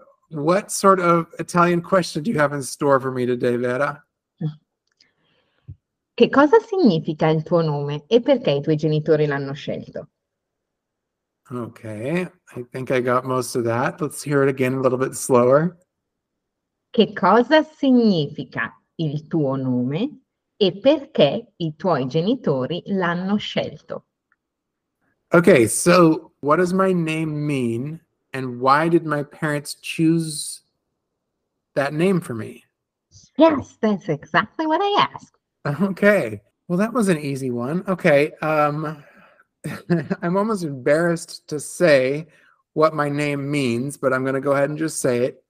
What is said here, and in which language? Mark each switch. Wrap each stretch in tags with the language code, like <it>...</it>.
<en>what sort of Italian question do you have in store for me today, Vera?</en> <it>Che cosa significa il tuo nome e perché i tuoi genitori l'hanno scelto?</it> <en>Okay, I think I got most of that. Let's hear it again a little bit slower.</en> <it>Che cosa significa il tuo nome e perché i tuoi genitori l'hanno scelto?</it> <en>Okay, so what does my name mean and why did my parents choose that name for me? Yes, that's exactly what I asked. Okay, well, that was an easy one. Okay, I'm almost embarrassed to say what my name means, but I'm going to go ahead and just say it.</en>